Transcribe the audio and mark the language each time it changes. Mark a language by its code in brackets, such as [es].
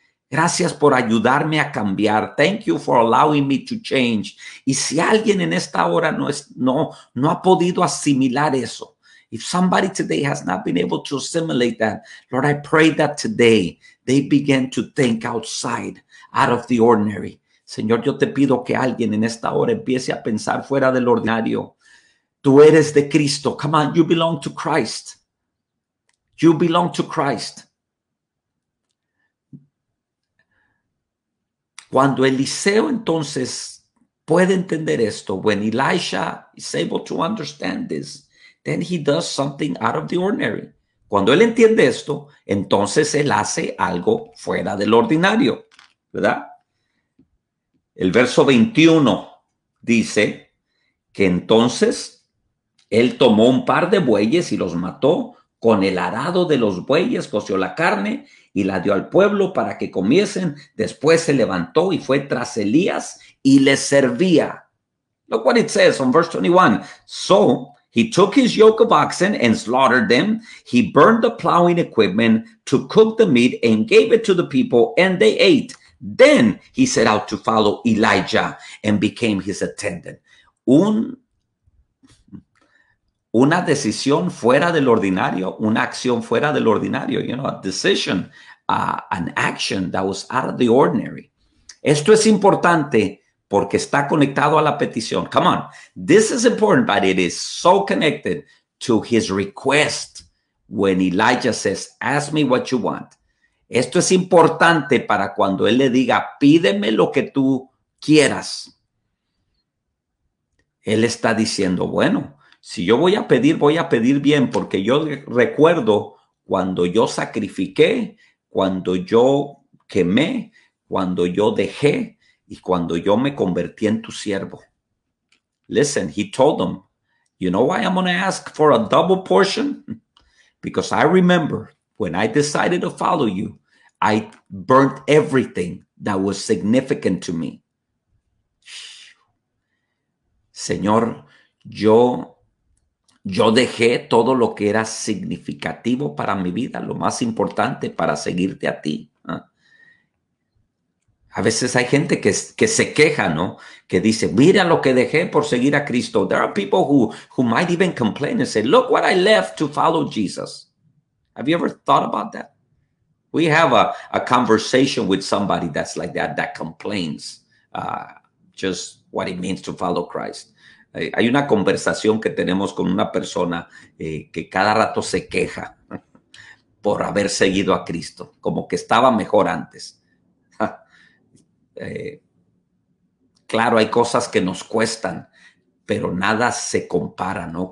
[es] Gracias por ayudarme a cambiar. [en] Thank you for allowing me to change. [es] Y si alguien en esta hora no ha podido asimilar eso, [en] if somebody today has not been able to assimilate that, Lord, I pray that today they begin to think outside, out of the ordinary. [es] Señor, yo te pido que alguien en esta hora empiece a pensar fuera del ordinario. Tú eres de Cristo. [en] Come on, you belong to Christ. You belong to Christ. [es] Cuando Eliseo entonces puede entender esto, [en] when Elisha is able to understand this, then he does something out of the ordinary. [es] Cuando él entiende esto, entonces él hace algo fuera del ordinario, ¿verdad? El verso 21 dice que entonces él tomó un par de bueyes y los mató con el arado de los bueyes, coció la carne y la dio al pueblo para que comiesen. Después se levantó y fue tras Elías y le servía. [en] Look what it says on verse 21. So he took his yoke of oxen and slaughtered them. He burned the plowing equipment to cook the meat and gave it to the people and they ate. Then he set out to follow Elijah and became his attendant. [es] Una decisión fuera del ordinario, [en] una acción fuera del ordinario, you know, a decision, an action that was out of the ordinary. [es] Esto es importante porque está conectado a la petición. [en] Come on, this is important, but it is so connected to his request when Elijah says, ask me what you want. [es] Esto es importante para cuando él le diga, pídeme lo que tú quieras. Él está diciendo, bueno, si yo voy a pedir bien, porque yo recuerdo cuando yo sacrifiqué, cuando yo quemé, cuando yo dejé y cuando yo me convertí en tu siervo. [en] Listen, he told them, you know why I'm going to ask for a double portion? Because I remember when I decided to follow you, I burnt everything that was significant to me. [es] Señor, yo dejé todo lo que era significativo para mi vida, lo más importante, para seguirte a ti. A veces hay gente que se queja, ¿no? Que dice, mira lo que dejé por seguir a Cristo. [en] There are people who might even complain and say, look what I left to follow Jesus. Have you ever thought about that? We have a conversation with somebody that's like that, that complains just what it means to follow Christ. [es] Hay una conversación que tenemos con una persona que cada rato se queja por haber seguido a Cristo, como que estaba mejor antes. Claro, hay cosas que nos cuestan, pero nada se compara, ¿no?